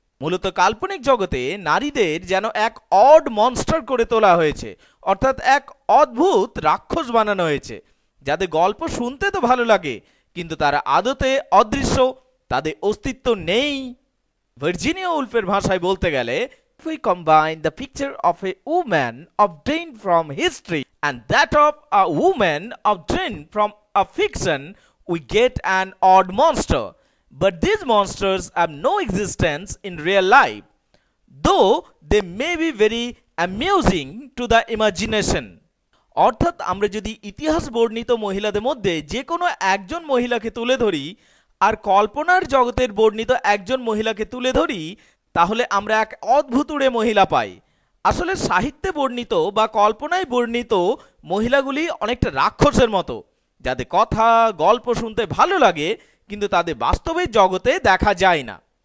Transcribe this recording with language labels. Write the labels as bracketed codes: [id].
[bn] মূলত কাল্পনিক জগতে নারীদের যেন এক অড মনস্টার করে তোলা হয়েছে, অর্থাৎ এক অদ্ভুত রাক্ষস বানানো হয়েছে, যাদের গল্প শুনতে তো ভালো লাগে কিন্তু তারা আদতে অদৃশ্য, তাদের অস্তিত্ব নেই। ভার্জিনিয়া উলফের ভাষায় বলতে গেলে, [en] We combine the picture of a woman obtain from history and that of a woman obtain from a fiction, we get an odd monster. But these monsters have no existence in real life, though they may be very amusing to the imagination. [bn] অর্থাৎ আমরা যদি ইতিহাস বর্ণিত মহিলাদের মধ্যে যে কোনো একজন মহিলাকে তুলে ধরি আর কল্পনার জগতের বর্ণিত একজন মহিলাকে তুলে ধরি, তাহলে আমরা এক অদ্ভুতুড়ে মহিলা পাই। আসলে সাহিত্যে বর্ণিত বা কল্পনায় বর্ণিত মহিলাগুলি অনেকটা রাক্ষসের মতো, যাদের কথা গল্প শুনতে ভালো লাগে কিন্তু তাদের বাস্তবে জগতে দেখা যায় না।